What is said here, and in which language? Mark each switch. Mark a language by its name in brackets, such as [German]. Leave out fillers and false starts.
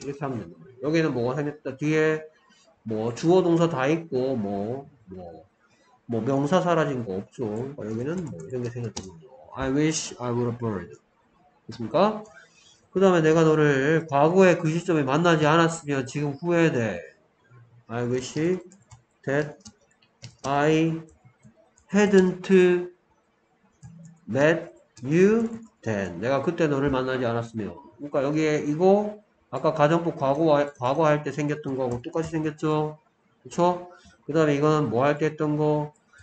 [Korean] 이렇게 하면 되는 거예요. 여기는 뭐가 생겼다? 뒤에 뭐 주어 동사 다 있고 뭐 명사 사라진 거 없죠. 여기는 뭐 이런 게 생겼다는 거죠. [English] I wish I were a bird. [Korean] 그렇습니까? 그 다음에 내가 너를 과거에 그 시점에 만나지 않았으면 지금 후회돼. [English] I wish that I hadn't met you then. [Korean] 내가 그때 너를 만나지 않았으면. 그러니까 여기에 이거 아까 가정법 과거할 때 생겼던 거하고 똑같이 생겼죠? 그쵸? 그 다음에 이거는 뭐할때 했던 거?